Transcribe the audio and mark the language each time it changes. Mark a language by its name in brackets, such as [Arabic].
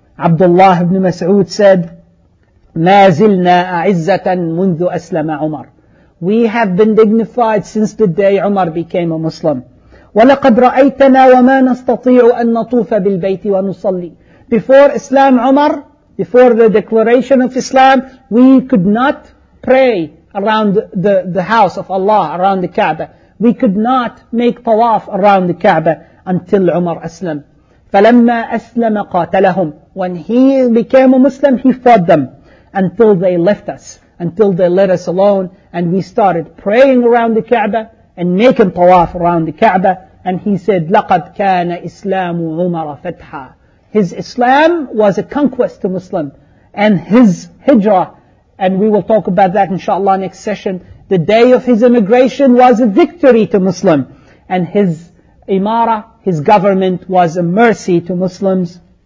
[English] Abdullah ibn Mas'ud said, [Arabic] مَا زِلْنَا أَعِزَّةً مُنْذُ أَسْلَمَ عُمَرْ. [English] We have been dignified since the day Umar became a Muslim. [Arabic] وَلَقَدْ رَأَيْتَنَا وَمَا نَسْتَطِيعُ أَن نَطُوفَ بِالْبَيْتِ وَنُصَلِّي. [English] Before Islam Umar, before the declaration of Islam, we could not pray around the house of Allah, around the Kaaba. We could not make tawaf around the Kaaba until Umar Aslam. [Arabic] فَلَمَّا أَسْلَمَ قَاتَلَهُمْ. [English] When he became a Muslim, he fought them until they left us, until they let us alone, and we started praying around the Kaaba and making tawaf around the Kaaba. And he said, [Arabic] لَقَدْ كَانَ إِسْلَامُ عُمَرَ فَتْحًا. [English] His Islam was a conquest to Muslim. And his hijrah, and we will talk about that inshallah next session, the day of his immigration was a victory to Muslim. And his imara, his government, was a mercy to Muslims.